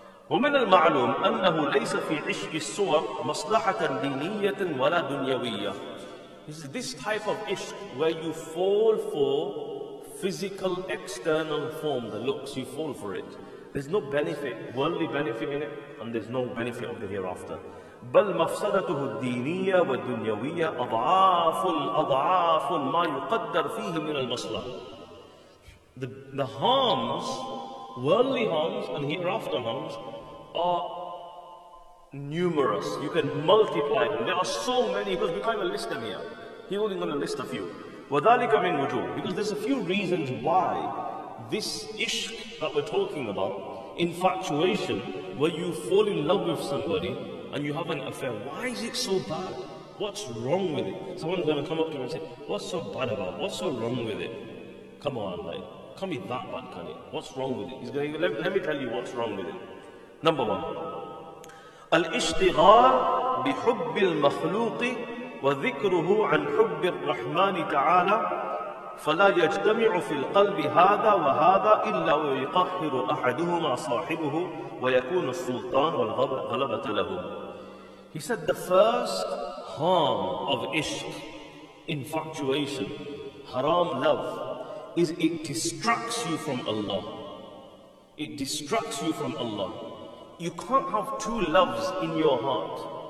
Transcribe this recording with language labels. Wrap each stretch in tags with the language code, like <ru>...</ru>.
<ar>ومن المعلوم أنه ليس في عشق الصور مصلحة دينية ولا دنيوية.</ar> <en>This is this type of ishq where you fall for physical external form, the looks, you fall for it. There's no benefit, worldly benefit in it, and there's no benefit of the hereafter.</en> <ar>بل مفسدته الدينية والدنيوية أضعاف الأضعاف ما يقدر فيه من المصلحة.</ar> <en>The harms, worldly harms and hereafter harms, are numerous. You can multiply them. There are so many, because we can't even list them here. He's only going to list a few.</en> <ar>وَذَلِكَ مِنْ وُجُوهِ.</ar> <en>Because there's a few reasons why this ishq that we're talking about, infatuation, where you fall in love with somebody and you have an affair, why is it so bad? What's wrong with it? Someone's going to come up to you and say, what's so bad about it? What's so wrong with it? Come on, like, can't be that bad, can it? What's wrong with it? He's going, let me tell you what's wrong with it. Number one,</en> <ar>الاشتغال بحب المخلوق وذكره عن حب الرحمن تعالى فلا يجتمع في القلب هذا وهذا إلا ويقهر أحدهما صاحبه ويكون السلطان والغلبة له.</ar> <en>He said the first harm of ishq, infatuation, haram love, is it distracts you from Allah. It distracts you from Allah. You can't have two loves in your heart.</en>